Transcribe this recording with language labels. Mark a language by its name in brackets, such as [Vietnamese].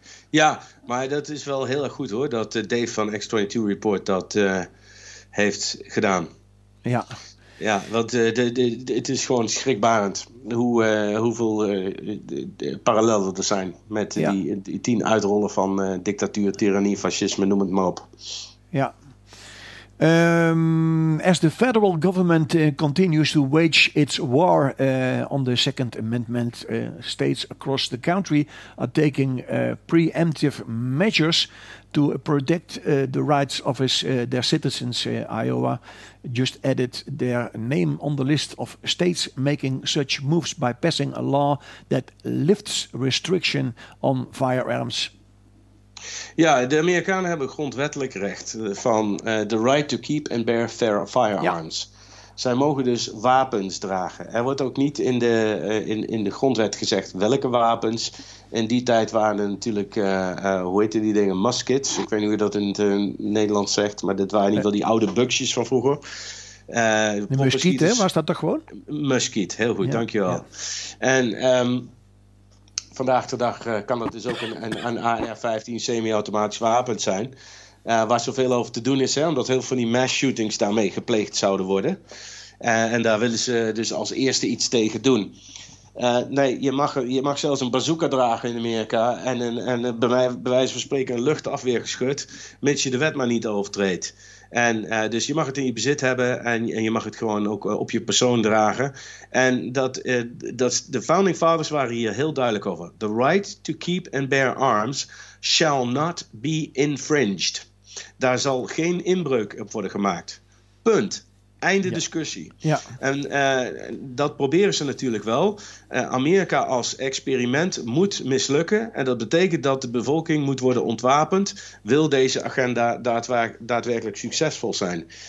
[Dutch] Ja, maar dat is wel heel erg goed hoor. Dat Dave van X-22 Report dat heeft gedaan. Ja. Ja, want het is gewoon schrikbarend hoeveel parallellen er zijn met die 10 uitrollen van dictatuur, tyrannie, fascisme, noem het maar op. Ja. [English] As the federal government continues to wage its war on the Second Amendment, states across the country are taking preemptive measures to protect the rights of their citizens. Iowa just added their name on the list of states making such moves by passing a law that lifts restriction on firearms. [Dutch] Ja, de Amerikanen hebben grondwettelijk recht van [English] the right to keep and bear fair firearms. [Dutch] Ja. Zij mogen dus wapens dragen. Er wordt ook niet in de grondwet gezegd welke wapens. In die tijd waren er natuurlijk, hoe heette die dingen, muskets. Ik weet niet hoe je dat in het Nederlands zegt, maar dat waren in ieder geval die oude buksjes van vroeger. Muskiet, hè? Was dat toch gewoon? Muskiet, heel goed, ja. Dankjewel. Ja. En vandaag de dag kan dat dus ook een AR-15 semi-automatisch wapen zijn. Waar zoveel over te doen is, hè, omdat heel veel van die mass shootings daarmee gepleegd zouden worden. En daar willen ze dus als eerste iets tegen doen. Nee, je mag zelfs een bazooka dragen in Amerika en bij wijze van spreken een luchtafweer geschud, mits je de wet maar niet overtreedt. Dus je mag het in je bezit hebben en je mag het gewoon ook op je persoon dragen. En de Founding Fathers waren hier heel duidelijk over. [English] The right to keep and bear arms shall not be infringed. [Dutch] Daar zal geen inbreuk op worden gemaakt. Punt. Einde ja. discussie. Ja. En dat proberen ze natuurlijk wel. Amerika als experiment moet mislukken. En dat betekent dat de bevolking moet worden ontwapend. Wil deze agenda daadwerkelijk succesvol zijn?